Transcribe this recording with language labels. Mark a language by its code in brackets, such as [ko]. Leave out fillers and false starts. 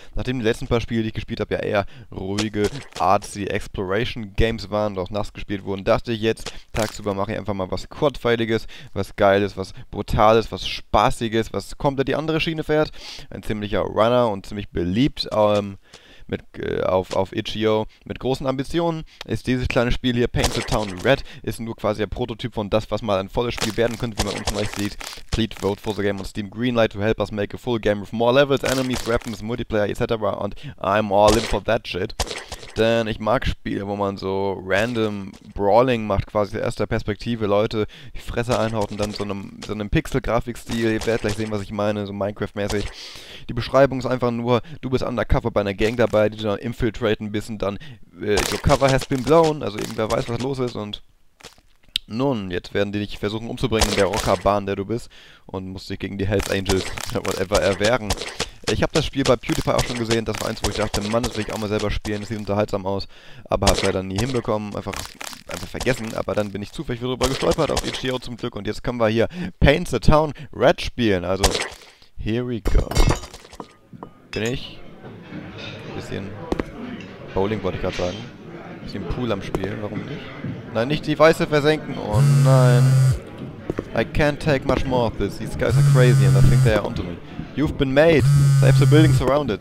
[de] Nachdem die letzten paar Spiele, die ich gespielt habe, ja eher ruhige Artsy Exploration Games waren und auch nass gespielt wurden, dachte ich jetzt, tagsüber mache ich einfach mal was Kurzweiliges, was Geiles, was Brutales, was Spaßiges, was komplett die andere Schiene fährt. Ein ziemlicher Runner und ziemlich beliebt auf Itch.io mit großen Ambitionen ist dieses kleine Spiel hier, Paint the Town Red, ist nur quasi der Prototyp von das, was mal ein volles Spiel werden könnte, wie man unten rechts sieht. [en] Please vote for the game on Steam Greenlight to help us make a full game with more levels, enemies, weapons, multiplayer, etc. And I'm all in for that shit. [de] Denn ich mag Spiele, wo man so random Brawling macht, quasi aus erster Perspektive, Leute die Fresse einhaut und dann so einem Pixel-Grafikstil. Ihr werdet gleich sehen, was ich meine, so Minecraft-mäßig. Die Beschreibung ist einfach nur, du bist undercover bei einer Gang dabei, die dann infiltraten bis und dann [en] your cover has been blown, [de] also irgendwer weiß, was los ist und nun, jetzt werden die dich versuchen umzubringen in der Rocker-Bahn, der du bist und musst dich gegen die Hells Angels, whatever, erwehren. Ich habe das Spiel bei PewDiePie auch schon gesehen, das war eins, wo ich dachte, Mann, das will ich auch mal selber spielen, das sieht unterhaltsam aus, aber hab's leider nie hinbekommen, einfach vergessen, aber dann bin ich zufällig wieder drüber gestolpert auf Itch.io zum Glück und jetzt können wir hier Paint the Town Red spielen, also, [en] here we go. [de] Bin ich? Bisschen Bowling wollte ich gerade sagen. Bisschen Pool am Spiel, warum nicht? Nein, nicht die Weiße versenken, oh nein. [en] I can't take much more of this. These guys are crazy and I think they are onto me. You've been made. Save the building surrounded.